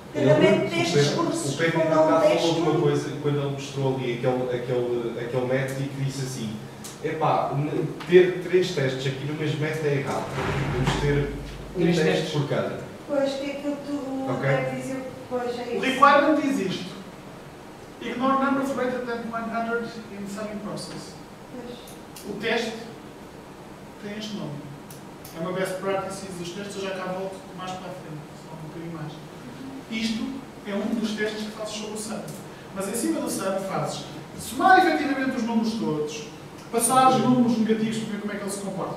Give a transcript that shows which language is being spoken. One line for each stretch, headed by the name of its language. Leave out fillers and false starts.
Portuguese: Cada método de testes cursos. O Pedro ainda cá falou de uma coisa quando ele mostrou ali aquele método e que disse assim: epá, ter três testes aqui no mesmo método é errado. Temos que ter um teste testes por cada. Pois, o que é que tu queres dizer? O requirement diz isto.
English: Ignore numbers greater than 100 in summing process.
Portuguese: O teste tem este nome. É uma best practice dos testes, eu já cá volto mais para a frente, só um bocadinho mais. Isto é um dos testes que fazes sobre o SAM. Mas em cima do SAM fazes somar efetivamente os números todos, passar os números negativos para ver como é que eles se comportam.